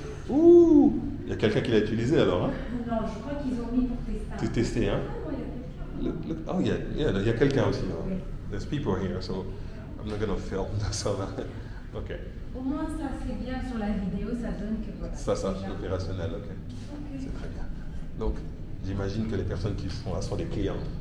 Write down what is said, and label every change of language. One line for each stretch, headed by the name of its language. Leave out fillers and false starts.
French: Ouh, il y a quelqu'un qui l'a utilisé alors, hein? Non, je crois qu'ils ont mis pour tester. Tu testé, hein? Oh yeah, yeah, il y a quelqu'un aussi. Hein? Oui.
English: There's people here, so I'm not gonna film that.
French: Okay. Au moins ça c'est bien sur la vidéo, ça donne que voilà. Ça c'est opérationnel, okay. Ok. C'est très bien. Donc j'imagine que les personnes qui sont là sont des clients.